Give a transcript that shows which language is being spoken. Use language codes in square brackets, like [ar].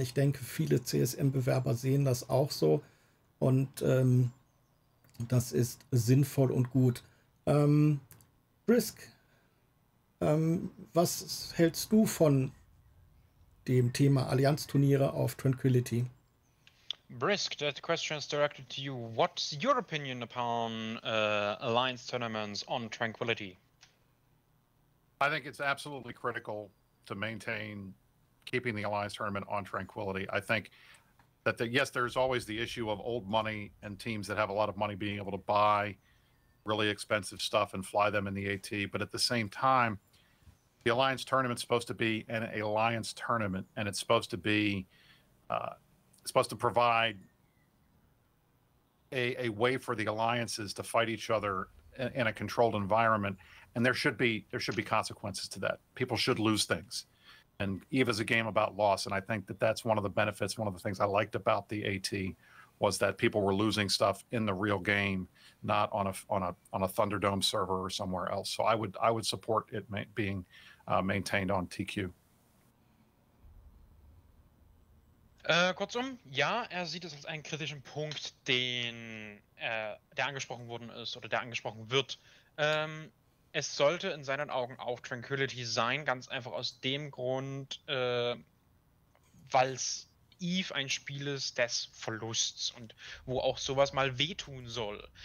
[de] Ich denke, viele CSM-Bewerber sehen das auch so. Und das ist sinnvoll und gut. Brisk, was hältst du von dem Thema Allianzturniere auf Tranquility? [en] Brisk, that question is directed to you. What's your opinion upon Alliance tournaments on Tranquility? I think it's absolutely critical to maintain keeping the Alliance tournament on Tranquility. I think that, yes, there's always the issue of old money and teams that have a lot of money being able to buy really expensive stuff and fly them in the AT. But at the same time, the Alliance tournament is supposed to be an Alliance tournament, and it's supposed to be supposed to provide a way for the Alliances to fight each other in a controlled environment. And there should be consequences to that. People should lose things. And EVE is a game about loss. And I think that that's one of the benefits. One of the things I liked about the AT was that people were losing stuff in the real game, not on a Thunderdome server or somewhere else. So I would support it being maintained on TQ. [de] Kurzum, ja, er sieht es als einen kritischen Punkt, der angesprochen worden ist oder der angesprochen wird. Es sollte in seinen Augen auch Tranquility sein, ganz einfach aus dem Grund, weil es EVE ein Spiel ist des Verlusts und wo auch sowas mal wehtun soll.